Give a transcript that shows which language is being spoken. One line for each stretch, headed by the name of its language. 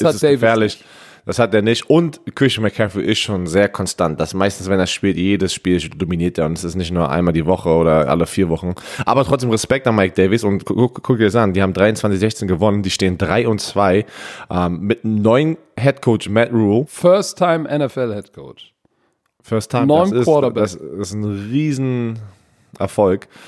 German: ist es gefährlich. Das hat er nicht. Und Christian McCaffrey ist schon sehr konstant. Das meistens, wenn er spielt, jedes Spiel dominiert er. Und es ist nicht nur einmal die Woche oder alle 4 Wochen. Aber trotzdem Respekt an Mike Davis. Und guck dir das an. Die haben 23-16 gewonnen. Die stehen 3-2 mit einem neuen Head Coach Matt Rhule.
English: First time NFL Head Coach. First time. 9 Quarterback.
German: Das ist ein Riesenerfolg.